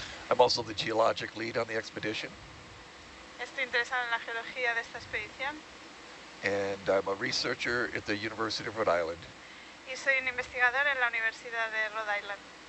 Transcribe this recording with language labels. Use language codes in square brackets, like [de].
[en] I'm also the geologic lead on the expedition. [es] Estoy interesado en la geología de esta expedición. [en] And I'm a researcher at the University of Rhode Island. [es] Y soy un investigador en la Universidad de Rhode Island.